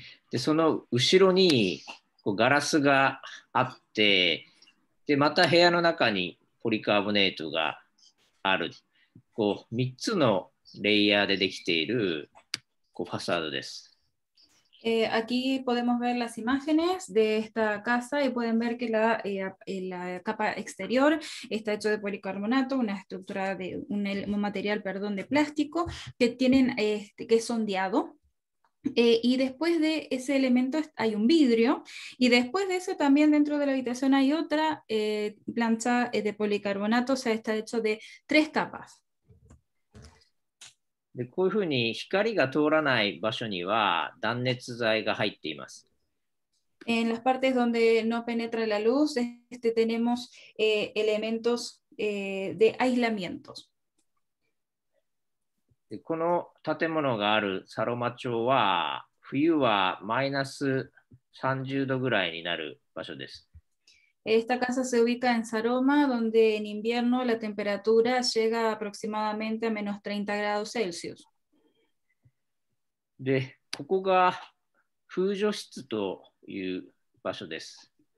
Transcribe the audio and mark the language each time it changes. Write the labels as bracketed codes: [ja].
[ja] でその後ろにこうガラスがあって、でまた部屋の中にポリカーボネートがあるこう3つのレイヤーでできているこうファサードです。 [es] Aquí podemos ver las imágenes de esta casa y pueden ver que la capa exterior está hecho de policarbonato, una estructura de un material, perdón, de plástico que tienen que es ondeado. Y después de ese elemento hay un vidrio y después de eso también dentro de la habitación hay otra plancha de policarbonato, o sea, está hecho de tres capas. [ja] De こういうふうに光が通らない場所には断熱材が入っています。 [es] En las partes donde no penetra la luz, tenemos elementos de aislamientos. [ja] この建物があるサロマ町は冬はマイナス30度ぐらいになる場所です。 [es] Esta casa se ubica en Saroma, donde en invierno la temperatura llega aproximadamente a menos 30 grados Celsius. [ja] で、ここが風除室という場所です。